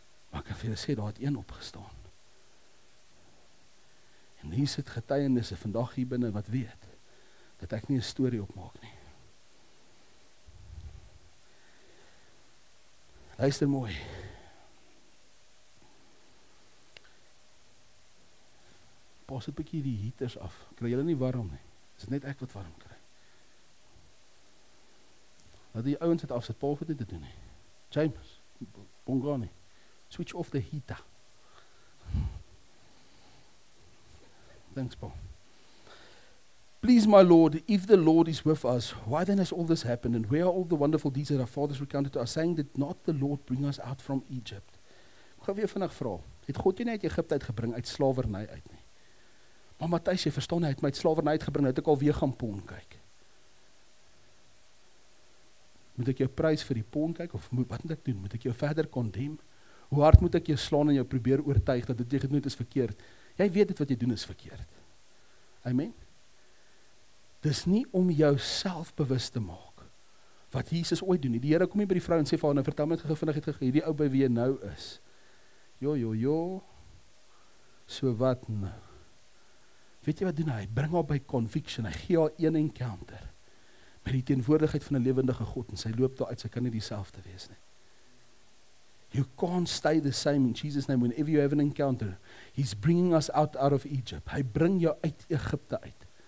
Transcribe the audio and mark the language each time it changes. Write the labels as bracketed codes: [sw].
[af] Maar ek kan vir julle sê, daar het een opgestaan. En hier sit getuienisse vandag hier binne wat weet dat ek nie 'n storie opmaak nie. Luister mooi. Pas 'n bietjie die heaters af. Kry julle nie warm nie. Dis net ek wat warm kry. Laat die ouens dit afsit. Paul het dit te doen nie. James, Bongani, [en] switch off the heater. [af] Thanks, Paul. [en] Please, my Lord, if the Lord is with us, why then has all this happened? And where are all the wonderful deeds that our fathers recounted to us, saying, did not the Lord bring us out from Egypt? [af] Ek gaan weer vinnig vra. Het God jou nie uit Egipte uitgebring, uit slawerny uit nie? Maar Matthys, jy verstaan, hy het my uit slawerny uitgebring, het ek alweer gaan pon kyk. Moet ek jou prys vir die pon kyk, of wat moet ek doen? Moet ek jou verder condemn? Hoe hard moet ek jou slaan en jou probeer oortuig dat dit jy genoeg is verkeerd? Jy weet dit wat jy doen is verkeerd. Amen? Dis nie om jou self bewus te maak wat Jesus ooit doen nie. Die Here kom nie by die vrou en sê vir haar, nou vertel my het gegeven, vindig het gegeven, hierdie ou by wie jy nou is. Jo, jo, jo. So wat nou? Weet jy wat doen hy? Bring haar by conviction. Hy gee haar een encounter met die teenwoordigheid van 'n lewendige God en sy loop daar uit, sy kan nie dieselfde wees nie. [en] You can't stay the same in Jesus' name whenever you have an encounter. He's bringing us out of Egypt. [af] Hy bring jou uit Egipte uit.